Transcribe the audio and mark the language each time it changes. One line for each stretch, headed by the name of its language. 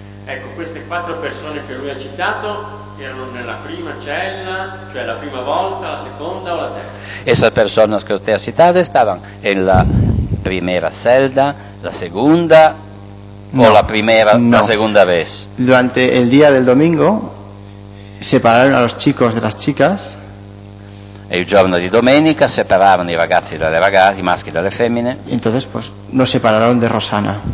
Italian: Ecco, queste quattro persone che lui ha citato erano nella prima cella, cioè la prima volta, la seconda o la terza?
Spanish: Esas personas que usted ha citado estaban en la primera celda, la segunda, no, o la primera, no. La segunda vez. Durante el día del domingo separaron a los chicos de las chicas.
Italian: E il giorno di domenica separavano i ragazzi dalle ragazze, i maschi dalle femmine.
Spanish: Entonces pues nos separaron de Rosana.